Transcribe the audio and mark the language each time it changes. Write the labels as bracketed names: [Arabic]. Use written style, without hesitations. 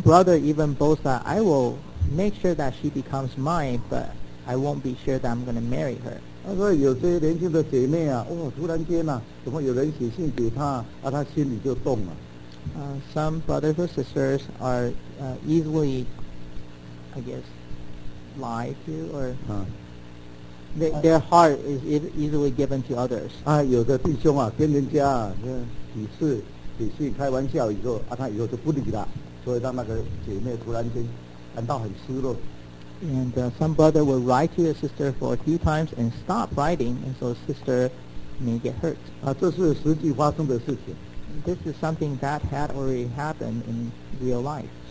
[English] brother even boasts that I will make sure that she becomes mine, but I won't be sure that I'm going to marry her. [Chinese] 所以有些年轻的姐妹，突然间怎么有人写信给她，她心里就动了。 [English] Some brothers or sisters are easily, I guess, lied to, or their heart is easily given to others. [Chinese] 有的弟兄跟人家几次写信开玩笑以后，他以后就不理了，所以让那个姐妹突然间感到很失落。 [English] And some brother will write to the sister for a few times and stop writing, and so the sister may get hurt. [Chinese] 这是实际发生的事情。 [English] This is something that had already happened in real life.